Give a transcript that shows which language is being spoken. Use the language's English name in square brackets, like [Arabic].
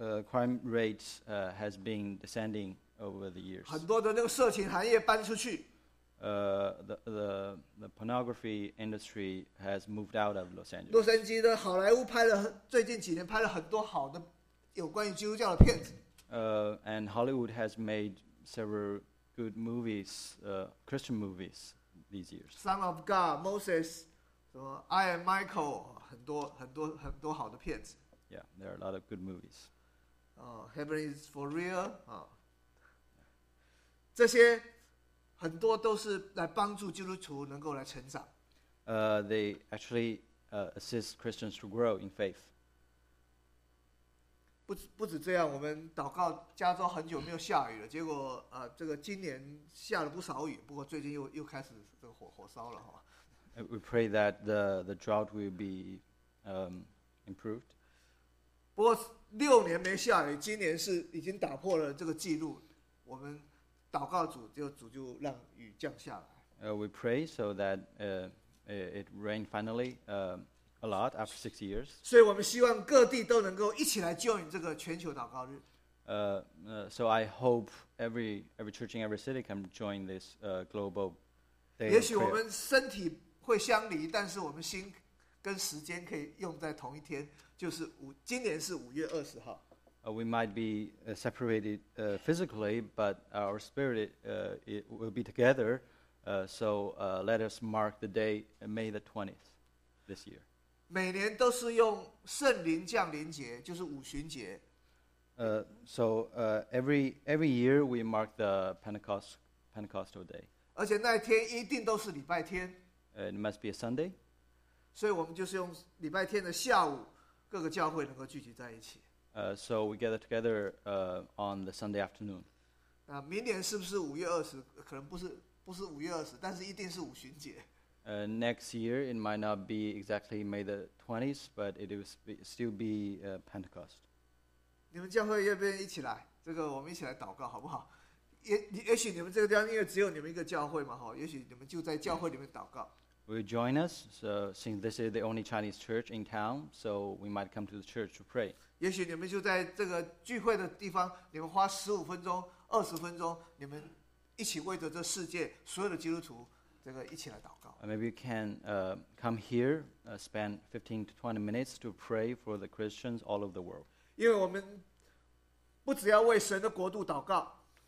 [English] Crime rates has been descending over the years. [Chinese] 很多的那个色情行业搬出去。 [English] The pornography industry has moved out of Los Angeles. [Chinese] 洛杉矶的好莱坞拍了最近几年拍了很多好的有关于基督教的片子。 [English] And Hollywood has made several good movies, Christian movies these years. Son of God, Moses, I am Michael, [Chinese] 很多好的片子。 [English] Yeah, there are a lot of good movies. Heaven is for real. [Chinese] 这些很多都是来帮助基督徒能够来成长。 [English] They actually assist Christians to grow in faith. [Chinese] 不止这样，我们祷告加州很久没有下雨了，结果这个今年下了不少雨，不过最近又开始这个火烧了哈。 [English] We pray that the drought will be improved. [Chinese] 不过六年没下雨，今年是已经打破了这个记录。我们祷告主，就让雨降下来。 [English] We pray so that it rained finally a lot after 6 years. [Chinese] 所以我们希望各地都能够一起来 join 这个全球祷告日。 [English] So I hope every church in every city can join this global day. [Chinese] 也许我们身体会相离，但是我们心跟时间可以用在同一天。就是今年是五月二十号。 [English] We might be separated physically, but our spirit it will be together. Let us mark the day May the 20th this year. [Chinese] 每年都是用圣灵降临节，就是五旬节。 [English] Every year we mark the Pentecostal day. [Chinese] 而且那一天一定都是礼拜天。 [English] It must be a Sunday. [Chinese] 所以我们就是用礼拜天的下午。各个教会能够聚集在一起。 [English] So we gather together on the Sunday afternoon. [Chinese] 那明年是不是五月二十？可能不是五月二十，但是一定是五旬节。 [English] Next year it might not be exactly May the 20th, but it will still be Pentecost. [Chinese] 你们教会要不要一起来？这个我们一起来祷告好不好？也许你们这个地方因为只有你们一个教会嘛，哈，也许你们就在教会里面祷告。 [English] Will join us, so since this is the only Chinese church in town, so we might come to the church to pray. [Chinese] 也许你们就在这个聚会的地方，你们花15-20分钟，你们一起为着这世界所有的基督徒，这个一起来祷告。 [English] Maybe you can come here, spend 15-20 minutes to pray for the Christians all over the world. [Chinese] 因为我们不只要为神的国度祷告。